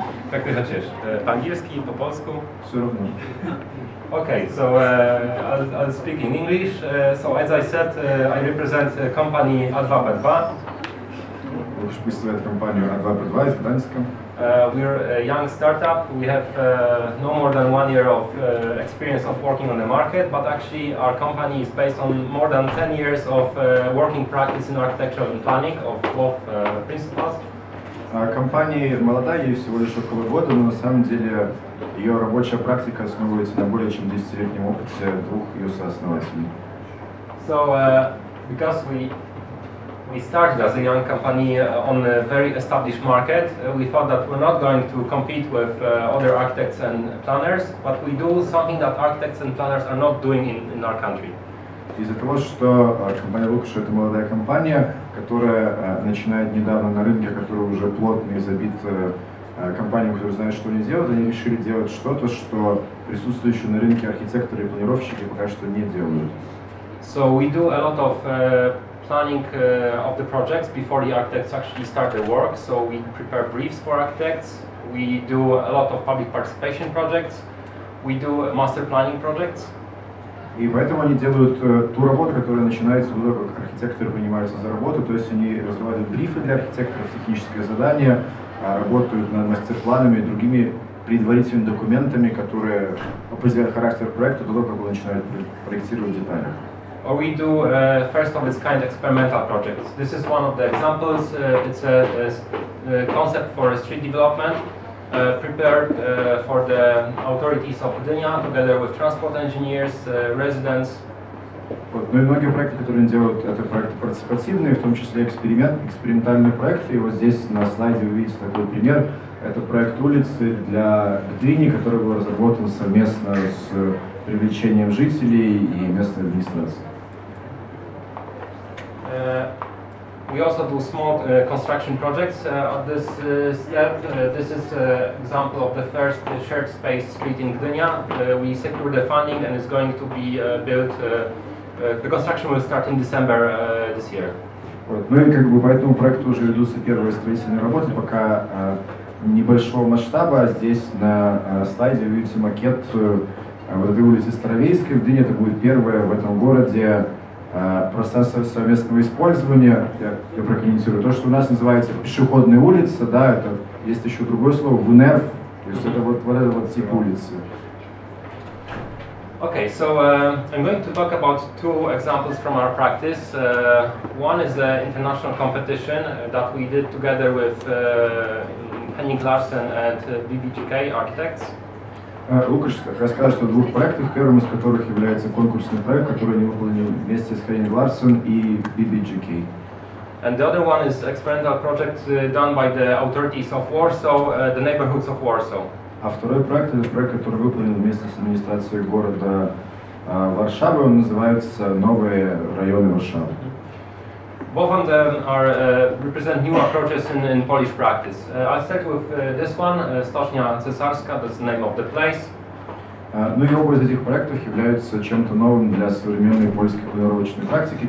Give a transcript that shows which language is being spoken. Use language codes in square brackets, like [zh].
[ru] Как ты хочешь, по-английски, по-польску? Все равно. [en] Okay, so I'll speak in English. So as I said, I represent a company A2P2. [ru] Лучше представить компанию A2P2 из Гданьска. [en] We're a young startup. We have no more than 1 year of experience of working on the market, but actually our company is based on more than 10 years of working practice in architecture and planning of both principals. [ru] Компания молодая, ей всего лишь около года, но на самом деле ее рабочая практика основывается на более чем 10-летнем опыте двух ее сооснователей. [en] So, because we started as a young company on a very established market. We thought that we're not going to compete with other architects and planners, but we do something that architects and planners are not doing in our country. [ru] Из-за того, что компания Лукаш — это молодая компания, которая начинает недавно на рынке, который уже плотно забит компаниями, которые знают, что они делают, они решили делать что-то, что присутствующие на рынке архитекторы и планировщики пока что не делают. [en] So we do a lot of planning of the projects before the architects actually start the work. So we prepare briefs for architects. We do a lot of public participation projects. We do master planning projects. [ru] И поэтому они делают ту работу, которая начинается до того, как архитекторы принимаются за работу. То есть они разрабатывают брифы для архитекторов, техническое задание, работают над мастер-планами и другими предварительными документами, которые определяют характер проекта до того, как он начинает проектировать детали. [en] Or we do first of its kind experimental projects. This is one of the examples. It's a concept for a street development prepared for the authorities of Gdynia together with transport engineers, residents. [ru] Ну и многие проекты, которые они делают, это проекты партиципативные, в том числе экспериментальные проекты. И вот здесь на слайде вы видите такой пример. Это проект улицы для Гдыни, который был разработан совместно с привлечением жителей и местной администрации. [en] We also do small construction projects at this step. This is an example of the first shared space street in Gdynia. We secured the funding and it's going to be built. The construction will start in December this year. [ru] Вот. Ну и как бы по этому проекту уже ведутся первые строительные работы, пока небольшого масштаба. Здесь на слайде вы видите макет вот этой улицы Старовейской в Гдыне. Это будет первое в этом городе процесса совместного использования. Я прокомментирую то, что у нас называется пешеходная улица, да, это есть еще другое слово, ВНФ, то есть это вот этот вот тип улицы. [en] Okay, so I'm going to talk about two examples from our practice. One is an international competition that we did together with Henning Larsen and BBGK Architects. [ru] Лукаш расскажет о двух проектах, первым из которых является конкурсный проект, который они выполнили вместе с Хеннинг Ларсен и BBGK. [en] And the other one is experimental project done by the authorities of Warsaw, the neighborhoods of Warsaw. [ru] А второй проект — это проект, который выполнен вместе с администрацией города Варшавы. Он называется «Новые районы Варшавы». [en] Both of them are represent new approaches in Polish practice. I'll start with this one, Stocznia Cesarska, that's the name of the place. [ru] Ну и оба из этих проектов являются чем-то новым для современной польской планировочной практики.